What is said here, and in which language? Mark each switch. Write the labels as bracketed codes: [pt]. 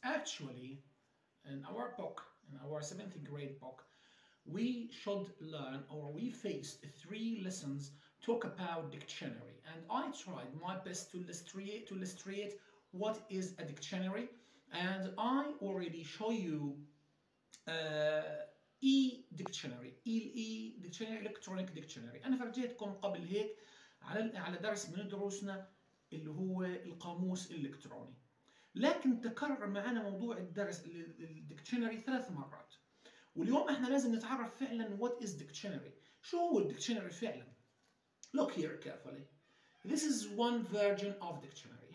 [en] Actually, in our book, in our seventh grade book, we should learn, or we faced three lessons talk about dictionary. And I tried my best to illustrate what is a dictionary. And I already show you e-dictionary, e-dictionary, electronic dictionary. [ar] أنا فرجيتكم قبل هيك على درس من دروسنا اللي هو القاموس الإلكتروني. لكن تكرر معنا موضوع الدرس الديكشنري ثلاث مرات. واليوم احنا لازم نتعرف فعلا [en] what is dictionary. [ar] شو هو الديكشنري فعلا؟ [en] Look here carefully. This is one version of dictionary.